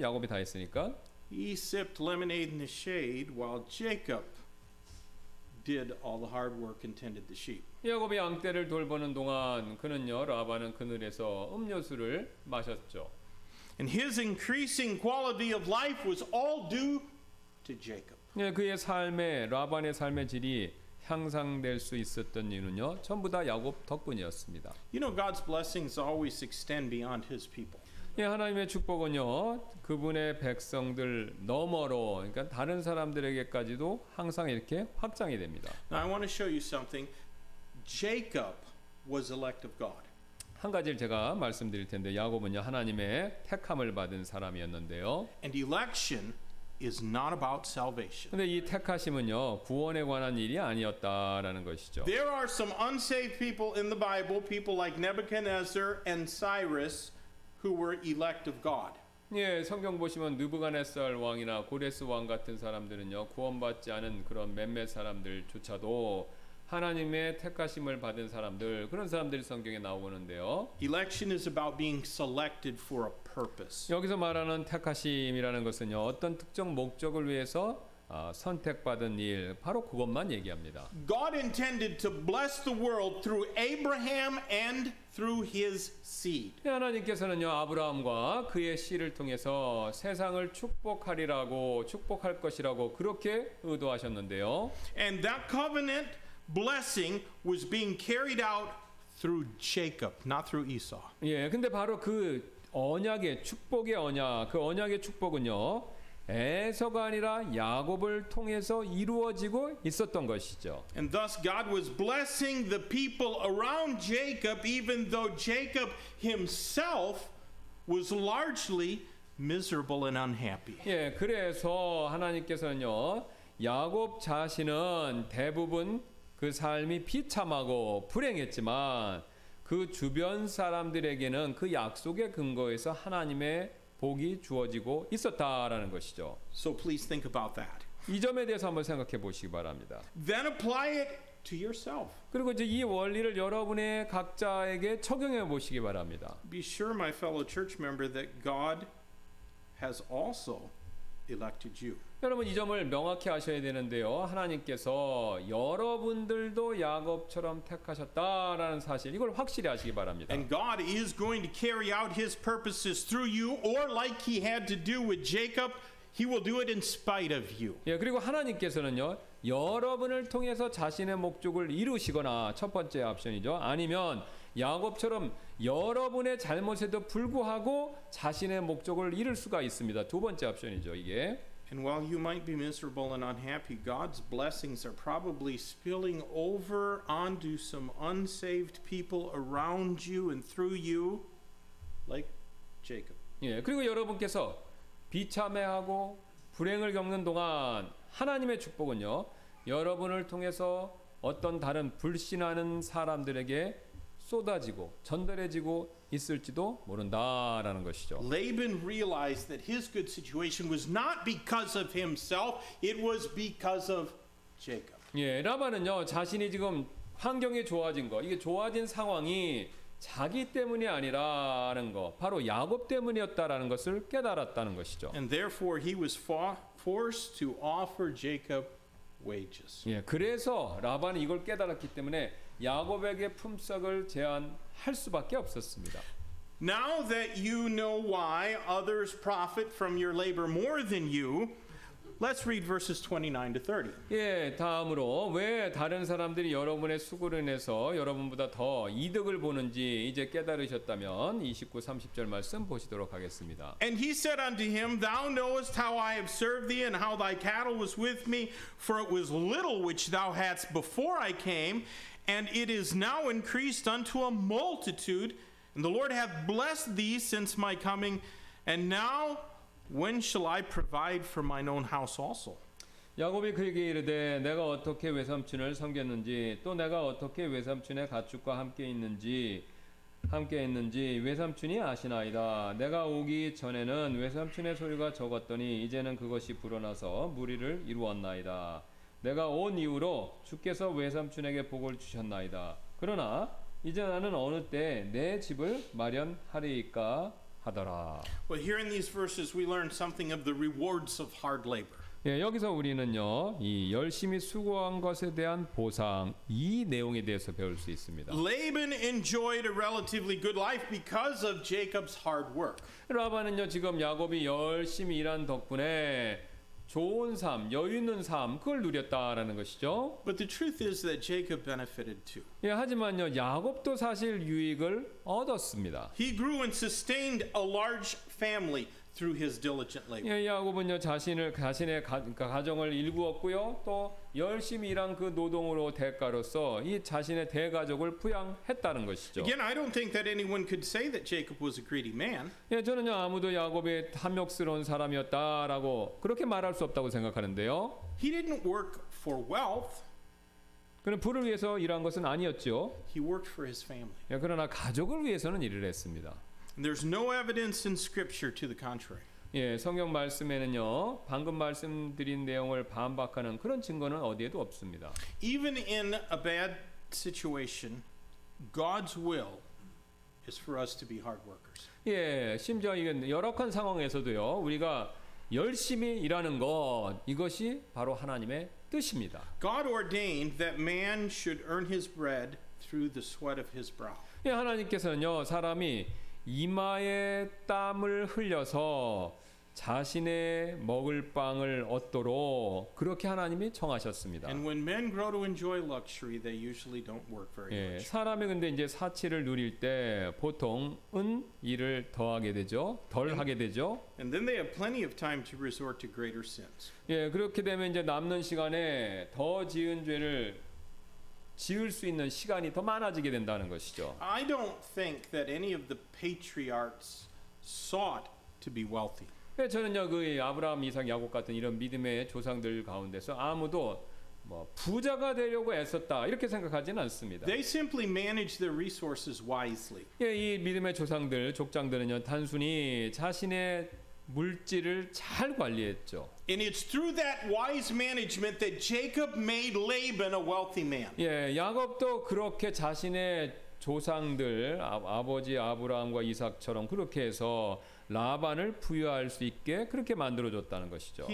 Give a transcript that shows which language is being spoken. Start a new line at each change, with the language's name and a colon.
Korean: 야곱이 다 했으니까.
English: He sipped lemonade in the shade while Jacob did all the hard work and tended the sheep.
Korean: 야곱이 양떼를 돌보는 동안 그는요 라반은 그늘에서 음료수를 마셨죠.
English: And his increasing quality of life was all due to Jacob.
Korean: 예, 그의 삶의 라반의 삶의 질이 향상될 수 있었던 이유는요, 전부 다 야곱 덕분이었습니다.
English: You know, God's blessings always extend beyond His people.
Korean: 예, 하나님의 축복은요, 그분의 백성들 너머로, 그러니까 다른 사람들에게까지도 항상 이렇게 확장이 됩니다.
English: Now I want to show you something. Jacob was elect of God.
Korean: 한 가지를 제가 말씀드릴 텐데 야곱은요 하나님의 택함을 받은 사람이었는데요.
English: And election is not about salvation.
Korean: 근데 이 택하심은요 구원에 관한 일이 아니었다라는 것이죠.
English: There are some unsaved people in the Bible, people like Nebuchadnezzar and Cyrus, who were elect of God.
Korean: 예, 성경 보시면 느부갓네살 왕이나 고레스 왕 같은 사람들은요 구원받지 않은 그런 몇몇 사람들조차도 하나님의 택하심을 받은 사람들 그런 사람들이 성경에 나오는데요.
English: Election is about being selected for a purpose.
Korean: 여기서 말하는 택하심이라는 것은요 어떤 특정 목적을 위해서 선택받은 일 바로 그것만 얘기합니다.
English: God intended to bless the world through Abraham and through his seed.
Korean: 하나님께서는요 아브라함과 그의 씨를 통해서 세상을 축복하리라고 축복할 것이라고 그렇게 의도하셨는데요.
English: And that covenant blessing was being carried out through Jacob, not through Esau.
Korean: 예, 근데 바로 그 언약의 축복의 언약, 그 언약의 축복은요, 에서가 아니라 야곱을 통해서 이루어지고 있었던 것이죠.
English: And thus God was blessing the people around Jacob, even though Jacob himself was largely miserable and unhappy.
Korean: 예, 그래서 하나님께서는요, 야곱 자신은 대부분 그 삶이 비참하고 불행했지만 그 주변 사람들에게는 그 약속의 근거에서 하나님의 복이 주어지고 있었다라는 것이죠.
English: So please think about that.
Korean: 이 점에 대해서 한번 생각해 보시기 바랍니다.
English: Then apply it to yourself.
Korean: 그리고 이제 이 원리를 여러분의 각자에게 적용해 보시기 바랍니다.
English: Be sure, my fellow church member, that God has also elected you.
Korean: 여러분 이 점을 명확히 아셔야 되는데요. 하나님께서 여러분들도 야곱처럼 택하셨다라는 사실 이걸 확실히 아시기 바랍니다.
English: And God is going to carry out his purposes through you or like he had to do with Jacob, he will do it in spite of you.
Korean: 예, 그리고 하나님께서는요. 여러분을 통해서 자신의 목적을 이루시거나 첫 번째 옵션이죠. 아니면 야곱처럼 여러분의 잘못에도 불구하고 자신의 목적을 이룰 수가 있습니다. 두 번째 옵션이죠. 이게
English: And while you might be miserable and unhappy, God's blessings are probably spilling over onto some unsaved people around you and through you, like Jacob.
Korean: 예, 그리고 여러분께서 비참해하고 불행을 겪는 동안 하나님의 축복은요, 여러분을 통해서 어떤 다른 불신하는 사람들에게 쏟아지고 전달해지고 있을지도 모른다라는 것이죠.
English: Laban realized that his good situation was not because of himself, it was because of Jacob.
Korean: 예, 라반은요 자신이 지금 환경이 좋아진 거, 이게 좋아진 상황이 자기 때문이 아니라는 거, 바로 야곱 때문이었다라는 것을 깨달았다는 것이죠.
English: And therefore he was forced to offer Jacob wages.
Korean: 예, 그래서 라반은 이걸 깨달았기 때문에 야곱에게 품삯을 제안할 수밖에 없었습니다.
English: Now that you know why others profit from your labor more than you, let's read verses 29 to 30.
Korean: 예, 다음으로 왜 다른 사람들이 여러분의 수고를 인해서 여러분보다 더 이득을 보는지 이제 깨달으셨다면 29, 30절 말씀 보시도록 하겠습니다.
English: And he said unto him, Thou knowest how I have served thee and how thy cattle was with me, for it was little which thou hadst before I came, And it is now increased unto a multitude, and the Lord hath blessed thee since my coming. And now, when shall I provide for mine own house also?
Korean: 야곱이 그에게 이르되 내가 어떻게 외삼촌을 섬겼는지 또 내가 어떻게 외삼촌의 가축과 함께 있는지 외삼촌이 아시나이다. 내가 오기 전에는 외삼촌의 소유가 적었더니 이제는 그것이 불어나서 무리를 이루었나이다. 내가 온 이후로 주께서 외삼촌에게 복을 주셨나이다. 그러나 이제 나는 어느 때 내 집을 마련하리까 하더라.
English: Well, here in these verses, we learn something of the rewards of hard labor.
Korean: 예, 여기서 우리는요, 이 열심히 수고한 것에 대한 보상 이 내용에 대해서 배울 수 있습니다.
English: Laban enjoyed a relatively good life because of Jacob's hard work.
Korean: 라반은요, 지금 야곱이 열심히 일한 덕분에 좋은 삶, 여유 있는 삶, 그걸 누렸다라는 것이죠.
English: But the truth is that Jacob benefited too.
Korean: 예, 하지만요, 야곱도 사실 유익을 얻었습니다.
English: He grew and sustained a large family through his diligent labor.
Korean: 예, 야곱은요, 자신의 가정을 일구었고요, 또 열심히 일한 그 노동으로 대가로서 이 자신의 대가족을 부양했다는 것이죠.
English: Again, I don't think that anyone could say that Jacob was a greedy man.
Korean: 예, 저는요, 아무도 야곱이 탐욕스러운 사람이었다라고 그렇게 말할 수 없다고 생각하는데요.
English: He didn't work for wealth.
Korean: 그는 부를 위해서 일한 것은 아니었죠.
English: He worked for his family.
Korean: 예, 그러나 가족을 위해서는 일을 했습니다.
English: There's no evidence in scripture to the contrary.
Korean: 예, 성경 말씀에는요. 방금 말씀드린 내용을 반박하는 그런 증거는 어디에도 없습니다.
English: Even in a bad situation, God's will is for us to be hard workers.
Korean: 예, 심지어 이건 열악한 상황에서도요. 우리가 열심히 일하는 것 이것이 바로 하나님의 뜻입니다.
English: God ordained that man should earn his bread through the sweat of his brow.
Korean: 예, 하나님께서는요. 사람이 이마에 땀을 흘려서 자신의 먹을 빵을 얻도록 그렇게 하나님이 정하셨습니다.
English: And when men grow to enjoy luxury, they usually don't work very much.
Korean: 예, 사람이 근데 이제 사치를 누릴 때 보통은 일을 더하게 되죠, 덜하게 되죠.
English: And then they have plenty of time to resort to greater sins.
Korean: 예, 그렇게 되면 이제 남는 시간에 더 지은 죄를 지을 수 있는 시간이 더 많아지게 된다는 것이죠.
English: I don't think that any of the patriarchs sought to be wealthy.
Korean: 예, 저는요, 그 아브라함, 이삭, 야곱 같은 이런 믿음의 조상들 가운데서 아무도 뭐 부자가 되려고 애썼다 이렇게 생각하지는 않습니다.
English: They simply manage their resources wisely.
Korean: 예, 이 믿음의 조상들, 족장들은요, 단순히 자신의 물질을 잘 관리했죠.
English: And it's through that wise management that Jacob made Laban a wealthy man.
Korean: 예, 야곱도 그렇게 자신의 조상들 아버지 아브라함과 이삭처럼 그렇게 해서 라반을 부유할 수 있게 그렇게 만들어 줬다는 것이죠.